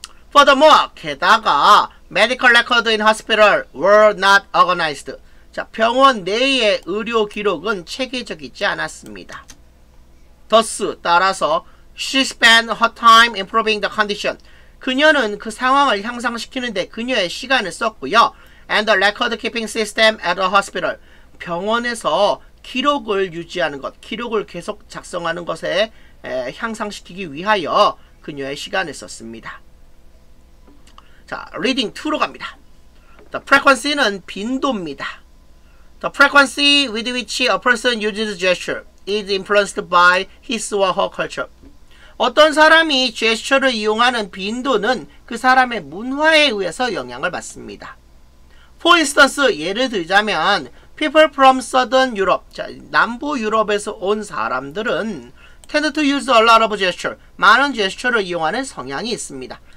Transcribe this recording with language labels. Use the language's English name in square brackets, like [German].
[English] Furthermore, [Korean] 게다가 [English] medical records in hospital were not organized. [Korean] 자, 병원 내의 의료 기록은 체계적이지 않았습니다. [English] Thus, [Korean] 따라서 [English] she spent her time improving the condition. [Korean] 그녀는 그 상황을 향상시키는데 그녀의 시간을 썼고요. [English] And the record keeping system at the hospital. [Korean] 병원에서 기록을 유지하는 것, 기록을 계속 작성하는 것에 향상시키기 위하여 그녀의 시간을 썼습니다. 자, reading 2로 갑니다. [English] The frequency [Korean] 는 빈도입니다. [English] The frequency with which a person uses gesture is influenced by his or her culture. [Korean] 어떤 사람이 gesture를 이용하는 빈도는 그 사람의 문화에 의해서 영향을 받습니다. [English] For instance, [Korean] 예를 들자면 [English] people from southern Europe, [Korean] 자, 남부 유럽에서 온 사람들은 [English] tend to use a lot of gesture, [Korean] 많은 gesture를 이용하는 성향이 있습니다.